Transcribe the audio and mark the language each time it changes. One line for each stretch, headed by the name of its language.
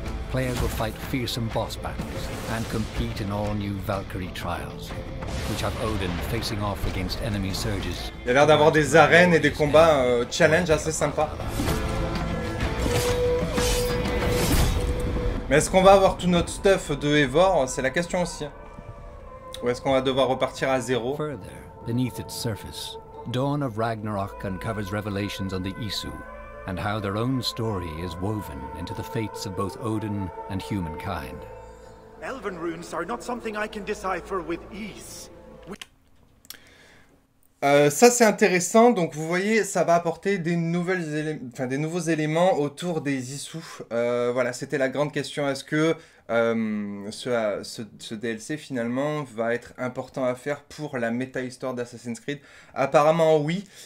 English: Players will fight fearsome boss battles and compete in all new Valkyrie trials, which have Odin facing off against enemy surges.
French: Il y a l'air d'avoir des arènes et des combats challenge assez sympa. Mais est-ce qu'on va avoir tout notre stuff de Eivor? C'est la question aussi. Ou est-ce qu'on va devoir repartir à zéro?
English: Further, beneath its surface, Dawn of Ragnarok uncovers revelations on the Isu, and how their own story is woven into the fates of both Odin and humankind. Elven runes are not something I can decipher with ease.
French: Ça c'est intéressant, donc vous voyez, ça va apporter des nouveaux éléments autour des Issou. Voilà, c'était la grande question, est-ce que ce DLC finalement va être important à faire pour la méta-histoire d'Assassin's Creed? Apparemment oui.